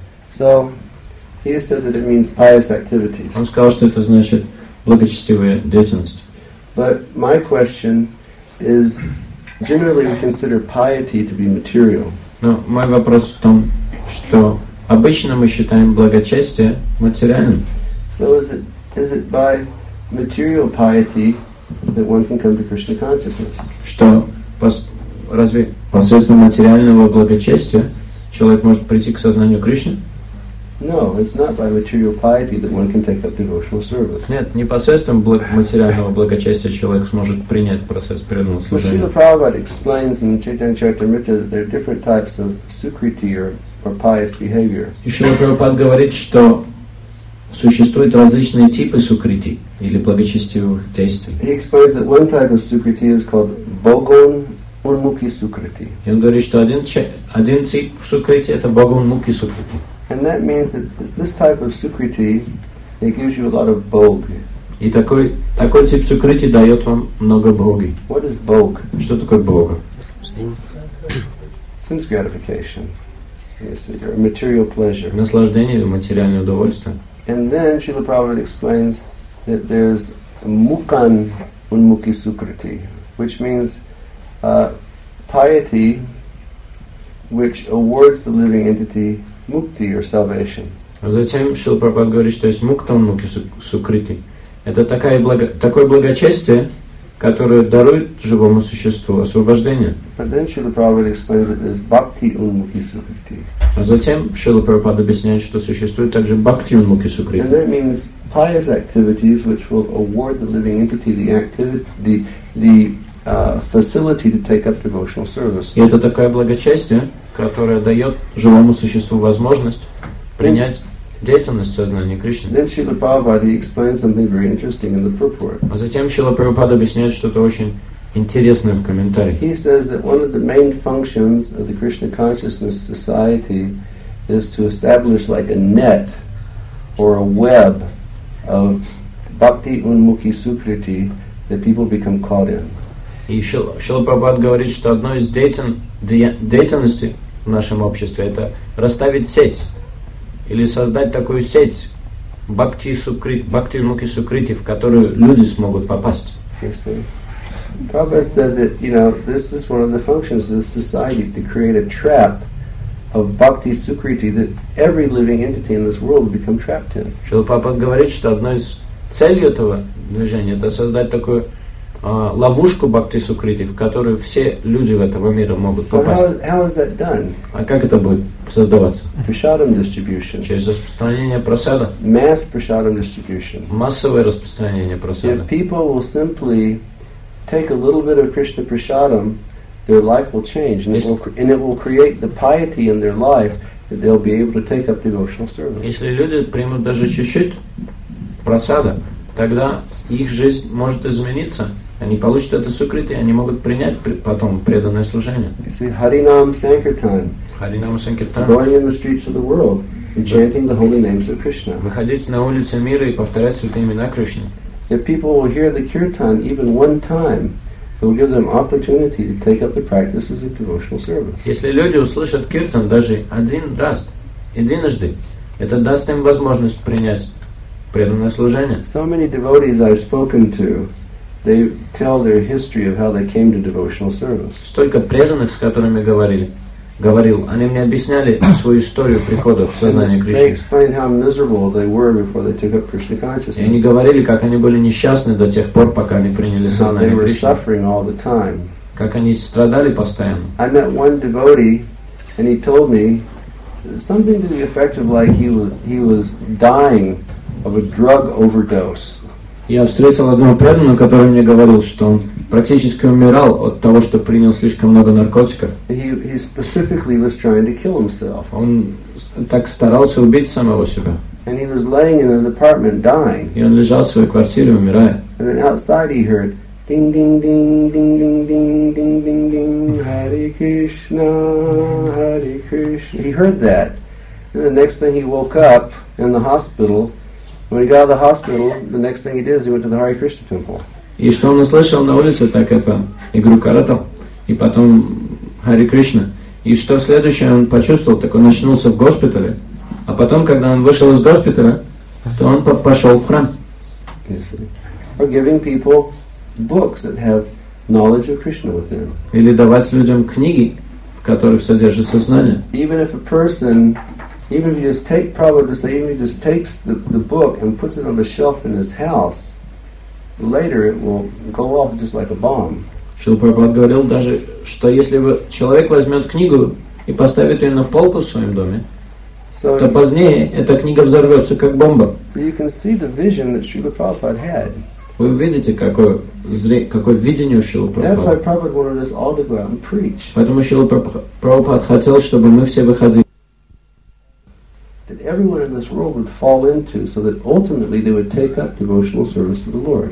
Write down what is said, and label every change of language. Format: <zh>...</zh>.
<en>So he has said that it means pious activities.</en> <ru>Он сказал, что это значит благочестивая деятельность.</ru> <en>But my question is generally we consider piety to be material.</en> <ru>Но мой вопрос в том, что обычно мы считаем благочестие материальным.</ru> <en>So is it by material piety that one can come to Krishna consciousness?</en> <ru>Что разве посредством материального благочестия человек может прийти к сознанию Кришны?</ru> <en>No, it's not by material piety that one can take up devotional service.</en> <ru>Нет, не посредством материального благочестия человек сможет принять процесс преданного служения.</ru> <en>Srila Prabhupada explains in the Chaitanya Charitamrita that there are different types of sukriti or pious behavior.</en> <ru>Srila Prabhupada говорит, что существуют различные типы сукрити или благочестивых действий.</ru> <en>He explains that one type of sukriti is called bhogon unmukhi sukriti.</en> <ru>И он говорит, что один тип сукрити это bhogon unmukhi sukriti.</ru> <en>And that means that this type of sukriti, it gives you a lot of bhog.</en> <ru>И такой тип сукрити дает вам много бхоги.</ru> <en>What is bhog?</en> <ru>Что такое бхога?</ru> <en>Sense gratification. Yes, your material pleasure.</en> <ru>Наслаждение или материальное удовольствие.</ru> <en>And then Srila Prabhupada explains that there's mukhan unmukhi sukriti, which means piety which awards the living entity mukti or salvation.</en> <ru>А затем Шрила Прабхупада говорит, что есть мукта муки сукрити. Это такое благочестие, которое дарует живому существу освобождение.</ru> <en>But then Srila Prabhupada explains that there's bhakti unmukhi sukriti.</en> <ru>А затем Шрила Прабхупада объясняет, что существует также бхакти унмуки сукрити.</ru> <en>And that means pious activities which will award the living entity the facility to take up devotional service.</en> <ru>И это такое благочестие, которое дает живому существу возможность принять деятельность сознания Кришны.</ru> <en>Then Srila Prabhupada explains something very interesting in the purport.</en> <ru>А затем Шрила Прабхупада объясняет что-то очень интересное в комментарии.</ru> <en>He says that one of the main functions of the Krishna Consciousness Society is to establish like a net or a web of bhakti unmukhi sukriti that people become caught in.</en> <ru>И Шрила Прабхупада говорит, что одно из деятельности в нашем обществе это расставить сеть или создать такую сеть бхакти-мукхи-сукрити, в которую люди смогут попасть.</ru> <en>Yes, Prabhupada said that, you know, this is one of the functions of society, to create a trap of bhakti-sukrity that every living entity in this world would become trapped in.</en> <ru>Шрила Прабхупада говорит, что одной из целей этого движения это создать такую ловушку бхакти сукрити, в которую все люди в этого мира могут попасть.</ru> <en>How is that done?</en> <ru>А как это будет создаваться?</ru> <en>Prasadam distribution.</en> <ru>Через распространение просада.</ru> <en>Mass prasadam distribution.</en> <ru>Массовое распространение просада.</ru> <en>If people will simply take a little bit of Krishna prasadam, their life will change, and it will create the piety in their life that they'll be able to take up devotional service.</en> <ru>Если люди примут даже чуть-чуть просада, тогда их жизнь может измениться. Они получат это сукрити, они могут принять потом преданное служение. Харинам Санкиртан. Харинам Санкиртан.</ru> <en>Going in the streets of the world and chanting the holy names of Krishna.</en> <ru>Выходить на улицы мира и повторять святые имена Кришны.</ru> <en>If people will hear the kirtan even one time, it will give them opportunity to take up the practices of devotional service.</en> <ru>Если люди услышат киртан даже один раз, единожды, это даст им возможность принять преданное служение.</ru> <en>So many devotees I've spoken to, they tell their history of how they came to devotional service.</en> <ru>Столько преданных, с которыми говорил, они мне объясняли свою историю прихода в сознание Кришны.</ru> <en>They explained how miserable they were before they took up Krishna consciousness.</en> <ru>И они говорили, как они были несчастны до тех пор, пока они приняли сознание Кришны.</ru> <en>They were suffering all the time.</en> <ru>Как они страдали постоянно.</ru> <en>I met one devotee, and he told me something to the effect of like he was dying of a drug overdose.</en> <ru>Я встретил одного преданного, который мне говорил, что он практически умирал от того, что принял слишком много наркотиков.</ru> <en>He specifically was trying to kill himself.</en> <ru>Он так старался убить самого себя.</ru> <en>And he was laying in his apartment dying.</en> <ru>И он лежал в своей квартире, умирая.</ru> <en>And then outside he heard ding ding ding ding ding ding ding ding ding Hare Krishna, Hare Krishna. He heard that. And the next thing he woke up in the hospital. When he got out of the hospital, the next thing he did is he went to the Hare Krishna temple.</en> <ru>И что он услышал на улице, так это игру карата, и потом Hare Krishna. И что следующее он почувствовал, так он очнулся в госпитале, а потом, когда он вышел из госпиталя, то он пошел в храм.</ru> <en>Or giving people books that have knowledge of Krishna within them.</en> <ru>Или давать людям книги, в которых содержится знание.</ru> <en>Even if a person... Even if you just take Prabhupada say, even if he just takes the book and puts it on the shelf in his house, later it will go off just like a bomb.</en> <ru>Шрила Прабхупада говорил даже, что если человек возьмет книгу и поставит ее на полку в своем доме, so то позднее эта книга взорвется как бомба.</ru> <en>So you can see the vision that Shrila Prabhupada had.</en> <ru>Вы увидите, какое видение у Шрилы Прабхупады.</ru> <en>That's why Prabhupada wanted us all to go out and preach.</en> <ru>Поэтому Шрила Прабхупада хотел, чтобы мы все выходили.</ru> <en>That everyone in this world would fall into, so that ultimately they would take up devotional service to the Lord.</en>